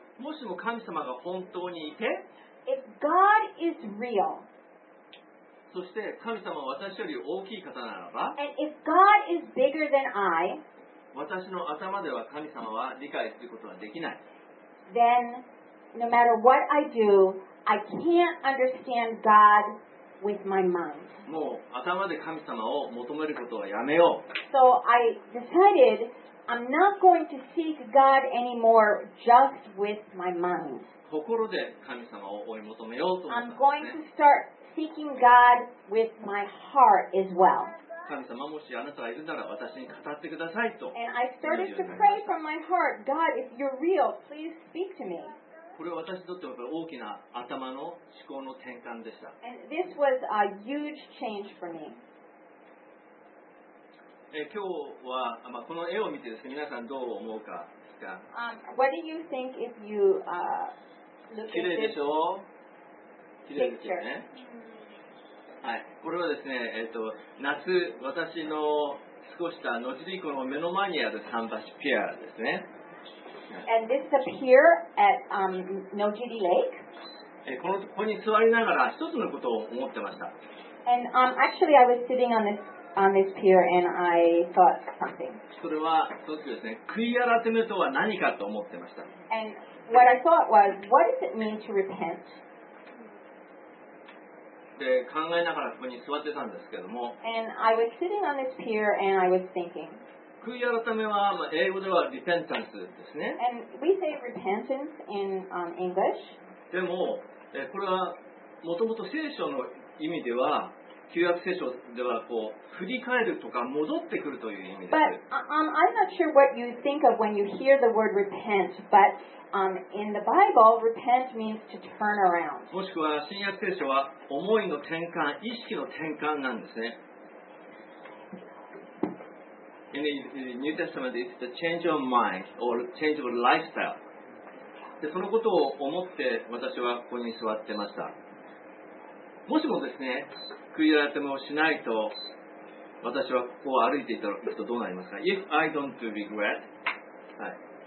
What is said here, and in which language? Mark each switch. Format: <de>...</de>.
<ja>もしも神様が本当にいて、</ja> <en>if God is real.</en> <ja>そして神様は私より大きい方ならば、</ja> <en>And if God is bigger than I,</en> <ja>私の頭では神様は理解することはできない。</ja> <en>Then, no matter what I do, I can't understand God with my mind.</en> <ja>もう頭で神様を求めることはやめよう。</ja> <en>So I decided I'm not going to seek God anymore just with my mind.</en> <ja>心で神様を追い求めようと思ったんですね。</ja> <en>I'm going to startSeeking God with my heart as well.</en> <ja>神様もしあなたがいるなら私に語ってくださいと。</ja> <en>And I started to pray from my heart, God, if you're real, please speak to me.</en> <ja>これは私にとっては大きな頭の思考の転換でした。</ja> <en>And this was a huge change for me.</en> <ja>今日は、まあ、この絵を見てですね、皆さんどう思うかですか。</ja> <en>What do you think if you look at this?</en> <ja>綺麗でしょ?綺麗ですよね。はい、これはですね、夏、私の過ごした後にこの目の前にある桟橋ピアですね。</ja> <en>And this is a pier at Nojiri Lake.</en> <ja>ここに座りながら一つのことを思ってました。</ja> <en>And actually, I was sitting on this pier and I thought something.</en> <ja>それはそうですね、悔い改めとは何かと思ってました。</ja> <en>And what I thought was, what does it mean to repent?</en> <ja>で考えながらここに座ってたんですけども、</ja> <en>And I was sitting on this pier and I was thinking.</en> <ja>悔い改めは、まあ、英語ではリペンタンスですね。</ja> <en>And we say repentance in English.</en> <ja>でも、これはもともと聖書の意味では、旧約聖書ではこう振り返るとか戻ってくるという意味です。</ja> <en>But I'm not sure what you think of when you hear the word repent, but in the Bible, repent means to turn around.</en> <ja>もしくは新約聖書は思いの転換、意識の転換なんですね。</ja> <en>In the New Testament, it's the change of mind or change of lifestyle.</en> <ja>で、そのことを思って私はここに座ってました。もしもですね、悔い改めをしないと私はここを歩いていたら、どうなりますか ?</ja> <en>If I don't do regret,</en> <ja>はい。</ja>